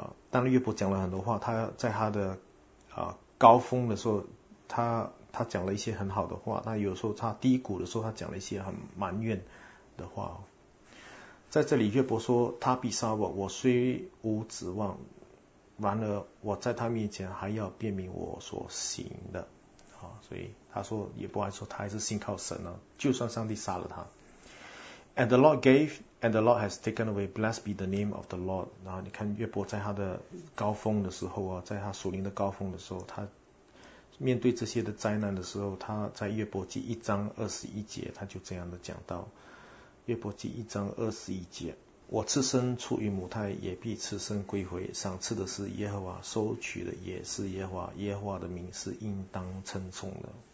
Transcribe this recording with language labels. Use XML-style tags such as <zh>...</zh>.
<zh>当约伯讲了很多话，他在他的高峰的时候，他讲了一些很好的话。那有时候他低谷的时候，他讲了一些很埋怨的话，在这里约伯说，他必杀我，我虽无指望，然而我在他面前还要辨明我所行的啊，所以他说，约伯还说他还是信靠神呢，就算上帝杀了他。</zh> <en>And the Lord gave and the Lord has taken away, blessed be the name of the Lord.</en> <zh>然后你看约伯在他的高峰的时候啊，在他属灵的高峰的时候，他面对这些的灾难的时候，他在约伯记一章二十一节他就这样的讲到，约伯记一章二十一节，我赐生出于母胎，也必赐生归回，赏赐的是耶和华，收取的也是耶和华，耶和华的名是应当称颂的。</zh>